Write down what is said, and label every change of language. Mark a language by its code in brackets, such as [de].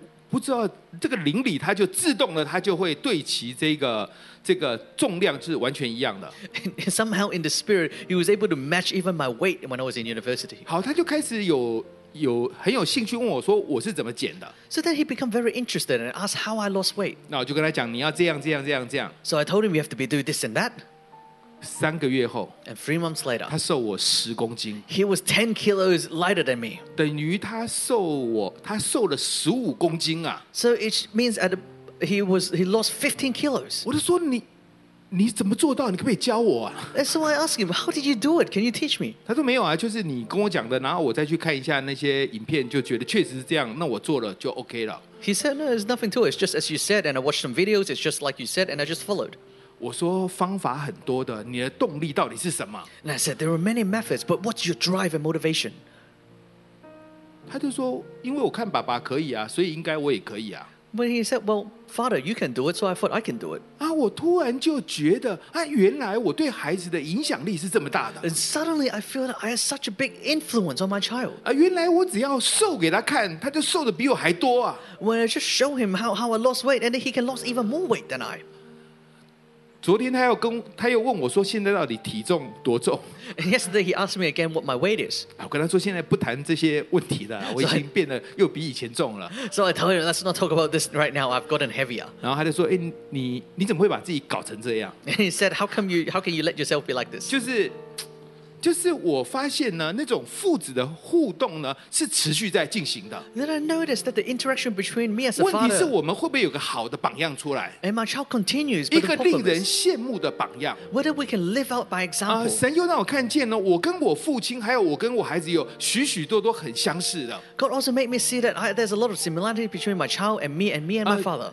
[zh] 不知道这个邻里他就自动的他就会对齐这个重量是完全一样的。 [en] Somehow in the spirit, he was able to match even my weight when I was in university. [zh] 好，他就开始有很有兴趣问我说我是怎么减的。 [en] So then he became very interested and asked how I lost weight. [zh] 那我就跟他讲你要这样这样这样这样。 [en] So I told him you have to be doing this and that. [zh] 3个月后 [en] And 3 months later, [zh] 他瘦我10公斤。 [en] He was 10 kilos lighter than me. [zh] 等于他瘦了15公斤啊。 [en] So it means at aHe lost 15 kilos. [zh] 我就说你怎么做到？你可不可以教我啊？ [en] And so I asked him, "How did you do it? Can you teach me?" [zh] 他说没有啊，就是你跟我讲的，然后我再去看一下那些影片，就觉得确实是这样，那我做了就 OK 了。 [en] He said, "No, there's nothing to it. It's just as you said, and I watched some videos. It's just like you said, and I just followed." [zh] 我说方法很多的，你的动力到底是什么？ [en] And I said, "There are many methods, but what's your drive and motivation?" [zh] 他就说，因为我看爸爸可以啊，所以应该我也可以啊。 [en] But he said, "Well, Father, you can do it, so I thought I can do it." [zh] 我突然就觉得原来我对孩子的影响力是这么大的。 [en] And suddenly, I feel that I have such a big influence on my child. [zh] 原来我只要瘦给他看，他就瘦得比我还多啊。 [en] When I just show him how I lost weight, and then he can lose even more weight than I. [zh] 昨天他 他又问我说现在到底体重多重。 [en] And yesterday he asked me again what my weight is. [zh] 我跟他说现在不谈这些问题了，我已经变得又比以前重了。 [en] So I told him, let's not talk about this right now, I've gotten heavier. [zh] 然后他就说，你怎么会把自己搞成这样？ [en] And he said, how can you let yourself be like this? [zh] 就是我发现呢，那种父子的互动呢，是持续在进行的。 [en] Then I noticed that the interaction between me as a father. [zh] 问题是我们会不会有个好的榜样出来 [en] ？And my child continues. [zh] 一个令人羡慕的榜样。 [en] Whether we can live out by example. [zh] 神又让我看见呢，我跟我父亲，还有我跟我孩子，有许许多多很相似的。 [en] God also made me see that there's a lot of similarity between my child and me, and me and my father.